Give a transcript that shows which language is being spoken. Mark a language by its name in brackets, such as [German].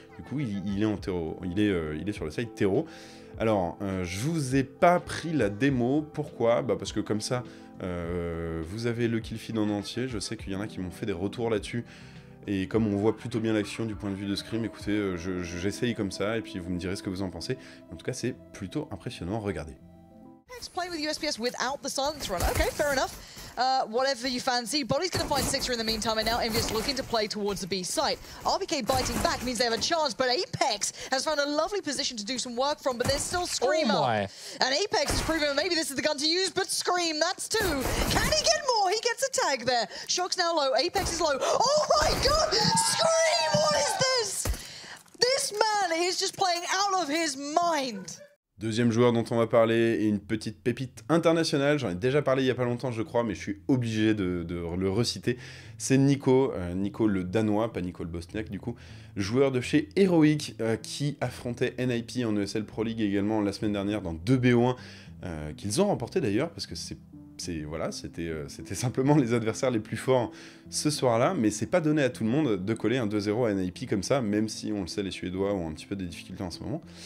[French] Du coup, il est en terreau. Il est sur le site terreau. Alors, je vous ai pas pris la démo. Pourquoi? Bah parce que comme ça, vous avez le kill feed en entier. Je sais qu'il y en a qui m'ont fait des retours là-dessus. Et comme on voit plutôt bien l'action du point de vue de Scream, écoutez, j'essaye comme ça et puis vous me direz ce que vous en pensez. En tout cas, c'est plutôt impressionnant. Regardez. [English] Let's play with USPS without the silence runner. Okay, fair enough. Whatever you fancy. Body's gonna find Sixer in the meantime, and now Envious looking to play towards the B site. RBK biting back means they have a chance, but Apex has found a lovely position to do some work from, but there's still Scream up. Oh, and Apex has proven maybe this is the gun to use, but Scream, that's two. Can he get more? He gets a tag there. Shock's now low. Apex is low. Oh my god! Scream! What is that? man, he's just playing out of his mind. [French] Deuxième joueur dont on va parler, une petite pépite internationale, j'en ai déjà parlé il n'y a pas longtemps je crois, mais je suis obligé de le reciter, c'est Nico, Nico le Danois, pas Nico le Bosniaque du coup, joueur de chez Heroic qui affrontait NIP en ESL Pro League également la semaine dernière dans 2-1, qu'ils ont remporté d'ailleurs, parce que c'était simplement les adversaires les plus forts ce soir-là, mais c'est pas donné à tout le monde de coller un 2-0 à NIP comme ça, même si on le sait les Suédois ont un petit peu des difficultés en ce moment.